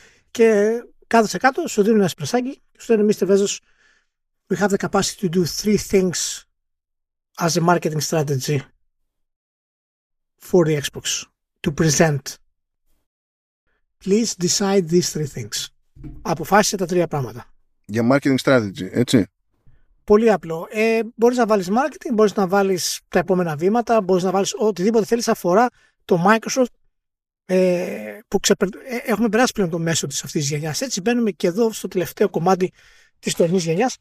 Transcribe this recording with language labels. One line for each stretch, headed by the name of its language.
Greek: Και κάθεσαι κάτω, σου δίνουν ένα εσπρεσάκι και σου λένε: Mr.
English: Bezos, we have the capacity to do 3 things as a marketing strategy for the Xbox to present. Please decide these 3 things.
Greek: Αποφάσισε τα 3 πράγματα. Για marketing strategy, έτσι. Πολύ απλό. Μπορείς να βάλεις marketing, μπορείς να βάλεις τα επόμενα βήματα, μπορείς να βάλεις οτιδήποτε θέλεις αφορά το Microsoft, που έχουμε περάσει πλέον το μέσο της αυτής της γενιάς. Έτσι μπαίνουμε και εδώ στο τελευταίο κομμάτι της τωρινής γενιάς.